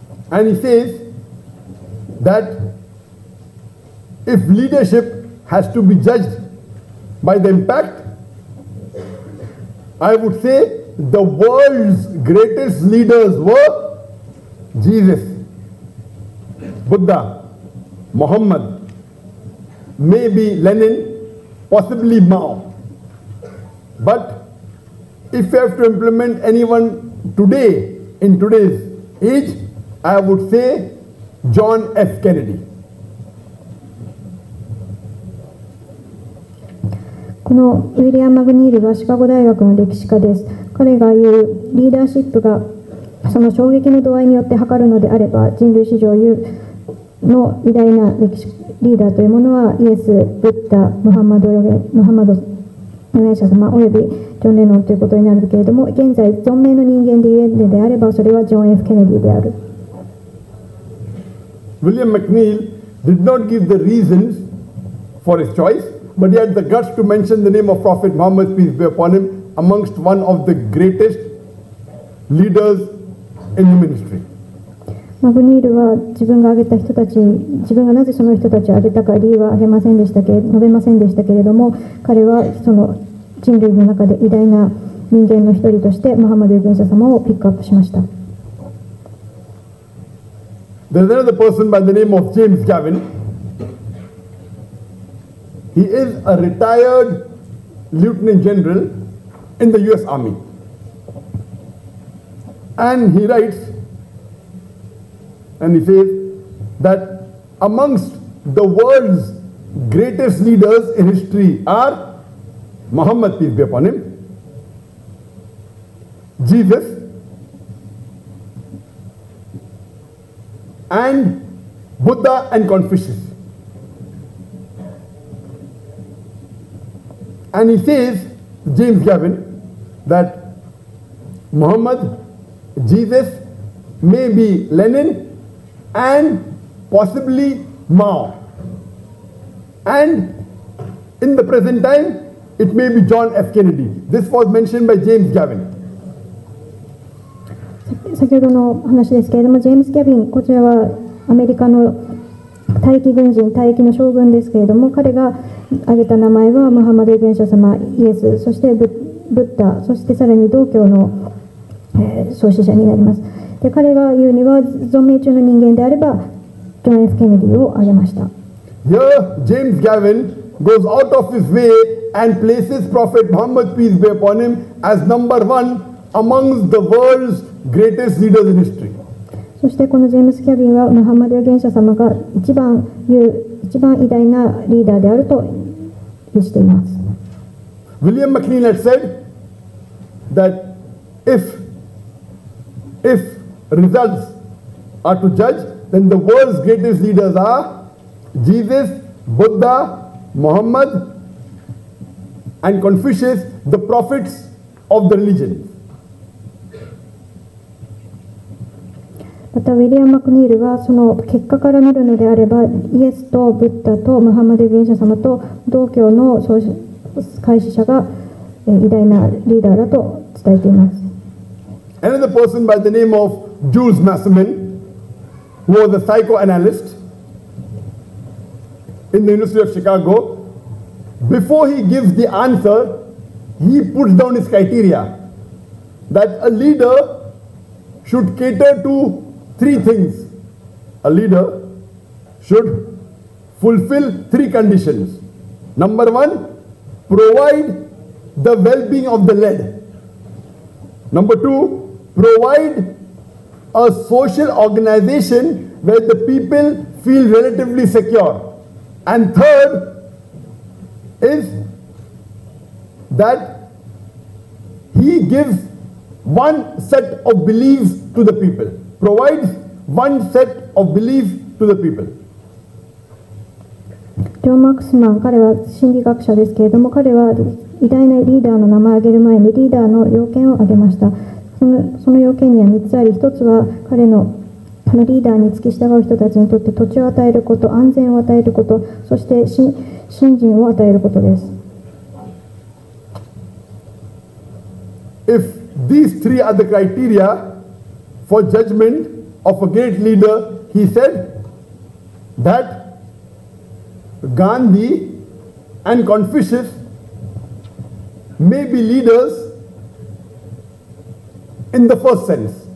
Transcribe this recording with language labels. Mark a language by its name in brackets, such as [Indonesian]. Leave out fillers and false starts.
[English] And he says that if leadership has to be judged by the impact, I would say the world's greatest leaders were Jesus, Buddha, Muhammad, maybe Lenin, possibly Mao. But if you have to implement anyone today, in today's age, I would say John F. Kennedy. [Japanese] このウィリアム・マグニールはシカゴ大学の歴史家です。彼が言うリーダーシップがその衝撃の度合いによって測るのであれば、人類史上有の偉大な歴史リーダーというものはイエス、ブッダ、ムハンマド預言者様およびジョン・レノンということになるけれども、現在存命の人間で言えるのであれば、それはジョン・F・ケネディである。 [English] William McNeill did not give the reasons for his choice, but he had the guts to mention the name of Prophet Muhammad, peace be upon him, amongst one of the greatest leaders in the ministry. [Japanese] マグニールは自分が挙げた人たち、自分がなぜその人たちを挙げたか理由は述べませんでしたけれども、彼はその人類の中で偉大な人間の一人としてムハンマド預言者様をピックアップしました。 [English] There's another person by the name of James Gavin. He is a retired lieutenant general in the US Army. And he writes,And he says that amongst the world's greatest leaders in history are Muhammad, peace be upon him, Jesus, and Buddha and Confucius. And he says, James Gavin, that Muhammad, Jesus, maybe Lenin,and possibly Mao. And in the present time, it may be John F. Kennedy. This was mentioned by James Gavin. [Japanese] 先ほどの話ですけれども、ジェームス・ギャビン、こちらはアメリカの退役軍人、退役の将軍ですけれども、彼が挙げた名前はムハンマド預言者様、イエス、そしてブッダ、そしてさらに道教の、創始者になります。で、彼が言うには存命中の人間であればジョン・F・ケネディを挙げました。 [English] Here, James Gavin goes out of his way and places Prophet Muhammad, peace be upon him, as number one amongst the world's greatest leaders in history. [Japanese] そしてこのジェームス・キャビンはムハンマド預言者様が一番偉大なリーダーであると言っています。 [English] William McLean had said that if results are to judge, then the world's greatest leaders are Jesus, Buddha, Muhammad, and Confucius, the prophets of the religion. [Japanese] またウィリアム・マクニールはその結果から見るのであればイエスとブッダとムハンマド預言者様と同教の創始開始者が偉大なリーダーだと伝えています。 [English] Another person by the name of Jules Massaman, who was a psychoanalyst in the University of Chicago, before he gives the answer, he puts down his criteria that a leader should cater to three things. A leader should fulfill three conditions. Number one, provide the well-being of the led. Number two, provide a social organization where the people feel relatively secure. And third is that he gives one set of beliefs to the people. Provides one set of belief to the people. [Japanese] ジョン・マクスマン、彼は心理学者ですけれども、彼は偉大なリーダーの名前を挙げる前にリーダーの要件を挙げました。その要件には3つあり、1つは彼のリーダーに付き従う人たちにとって土地を与えること、安全を与えること、そして信心を与えることです。 [English] If these three are the criteria,For judgment of a great leader, he said that Gandhi and Confucius may be leaders in the first sense.